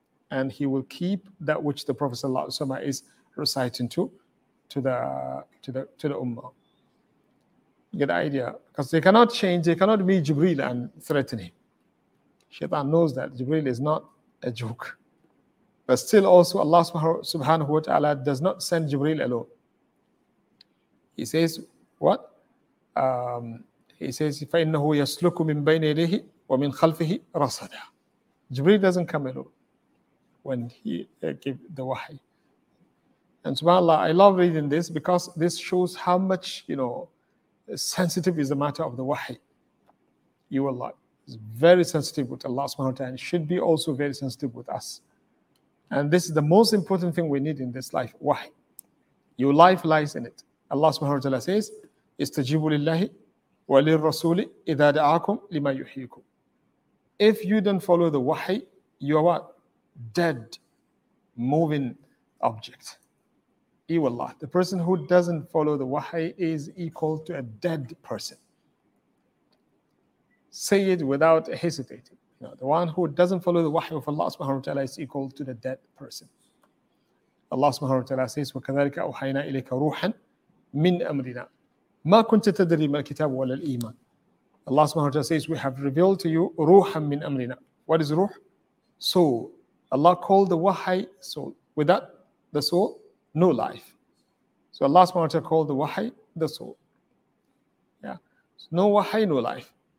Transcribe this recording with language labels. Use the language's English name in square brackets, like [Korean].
[English] And he will keep that which the Prophet sallallahu alaihi wasallam is reciting to the ummah. Get the idea, because they cannot change, they cannot meet Jibreel and threaten him. Shaitan knows that Jibreel is not a joke. But still also Allah subhanahu wa ta'ala does not send Jibreel alone. He says, what? He says, [Arabic] فَإِنَّهُ يَسْلُكُ مِنْ بَيْنِ إِلَيْهِ وَمِنْ خَلْفِهِ رَصَدًا. [English] Jibreel doesn't come alone when he gave the wahi. And subhanAllah, I love reading this because this shows how much, you know, sensitive is the matter of the wahi. You Allah is very sensitive with Allah subhanahu wa ta'ala and should be also very sensitive with us. And this is the most important thing we need in this life, wahi. Your life lies in it. Allah subhanahu wa ta'ala says, [Arabic] استجيبوا لله وللرسول إذا دعاكم لما يحييكم. [English] If you don't follow the wahi, you are what? Dead, moving object. Iwallah. The person who doesn't follow the wahi is equal to a dead person. Say it without hesitating. No, the one who doesn't follow the wahi of Allah subhanahu wa ta'ala is equal to the dead person. Allah subhanahu wa ta'ala says, [Arabic] وَكَذَلِكَ أَوْحَيْنَا إِلَيْكَ رُوحًا مِنْ أَمْرِنَا مَا كُنْتَ تَدْرِي مَا الْكِتَابُ وَلَا الْإِيمَانِ. [English] Allah subhanahu wa ta'ala says, we have revealed to you [Arabic] ruham min amrina. [English] What is ruh? Soul. Allah called the wahi soul. Without the soul, no life. So Allah subhanahu wa ta'ala called the wahi the soul. Yeah. So no wahi, no life.